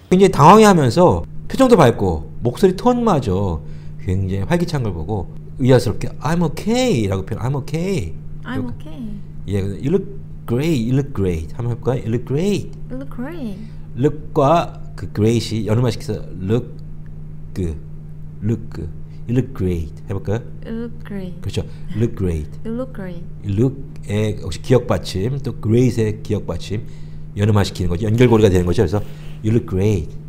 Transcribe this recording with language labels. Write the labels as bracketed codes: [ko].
[ko] 굉장히 당황해하면서 표정도 밝고 목소리 톤마저 굉장히 활기찬 걸 보고 의아스럽게 [en] I'm okay [ko] 라고 표현. [en] I'm okay. I'm okay. 예, yeah, you look great. You look great. [ko] 한번 해볼까요? [en] You look great. You look great. [ko] Look과 그 great이 연음화시켜서 look. [en] 그 look you look great [ko] 해볼까요? [en] you look great [ko] 그렇죠 [en] look great you look great [ko] look의 역시 기억받침 또 great의 기억받침 연음화시키는 거죠 연결고리가 되는 거죠 그래서 [en] you look great